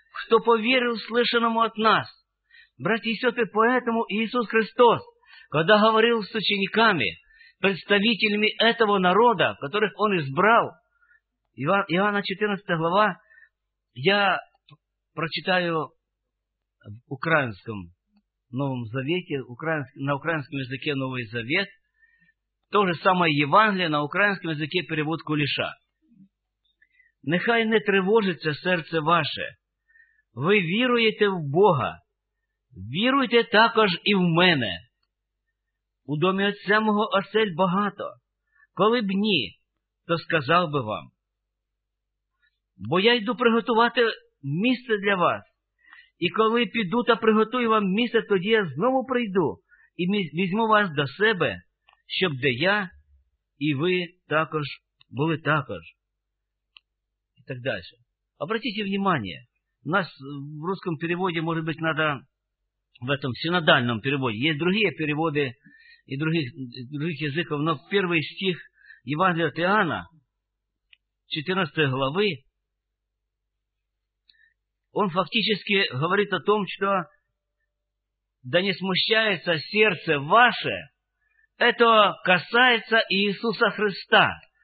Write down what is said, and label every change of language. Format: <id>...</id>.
<ru>Кто поверил слышанному от нас? Братья и сестры, поэтому Иисус Христос, когда говорил с учениками, представителями этого народа, которых Он избрал, Иоанна 14 глава, я прочитаю в украинском Новом Завете, на украинском языке Новый Завет, то же самое Евангелие на украинском языке, перевод Кулеша.</ru> <uk>«Нехай не тревожится серце ваше,</uk> <ru>вы веруете в Бога,</ru> <uk>віруйте також і в мене. У домі отця мого осель багато. Коли б ні, то сказав би вам. Бо я йду приготувати місце для вас. І коли піду та приготую вам місце, тоді я знову прийду і візьму вас до себе, щоб де я і ви також були також». І так далі.</uk> <ru>Обратите внимание, у нас в русском переводе, может быть, надо... В этом синодальном переводе. Есть другие переводы и других языков, но первый стих Евангелия от Иоанна, 14 главы, он фактически говорит о том, что «да не смущается сердце ваше», это касается Иисуса Христа.</ru>